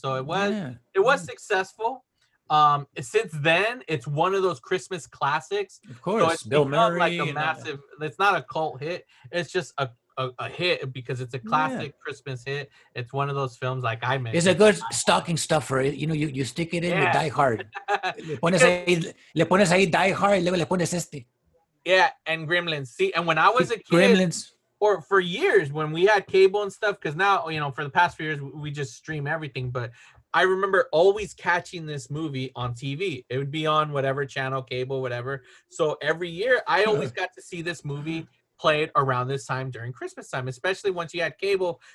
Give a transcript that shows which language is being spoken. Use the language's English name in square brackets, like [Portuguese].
[English] So it was successful. Since then, it's one of those Christmas classics. Of course, so it's Bill Murray. Like a massive, it's not a cult hit. It's just a hit because it's a classic Christmas hit. It's one of those films like I mentioned. It's a good stocking stuffer. You know, you stick it in, you Die Hard. [Spanish] Le pones ahí Die Hard, luego le pones este. [English] Yeah, and Gremlins. See, and when I was a kid, Gremlins. Or for years when we had cable and stuff, because now, you know, for the past few years, we just stream everything, but I remember always catching this movie on TV. It would be on whatever channel, cable, whatever. So every year, I always got to see this movie played around this time during Christmas time, especially once you had cable.